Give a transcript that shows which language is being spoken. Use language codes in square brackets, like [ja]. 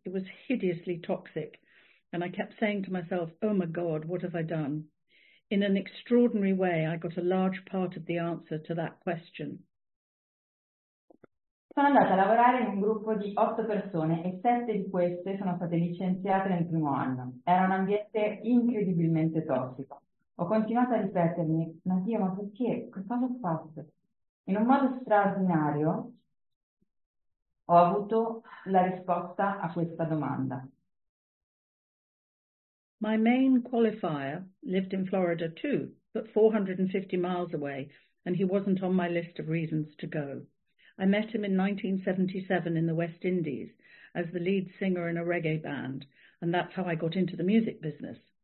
[en] It was hideously toxic and I kept saying to myself, oh my God, what have I done? In an extraordinary way, I got a large part of the answer to that question. [it] Sono andata a lavorare in un gruppo di 8 persone e 7 di queste sono state licenziate nel primo anno. Era un ambiente incredibilmente tossico. Ho continuato a ripetermi, ma Dio, ma perché? Cosa ho fatto? In un modo straordinario ho avuto la risposta a questa domanda. [en] My main qualifier lived in Florida too, but 450 miles away, and he wasn't on my list of reasons to go. I met him in 1977 in the West Indies as the lead singer in a reggae band, and that's how I got into the music business.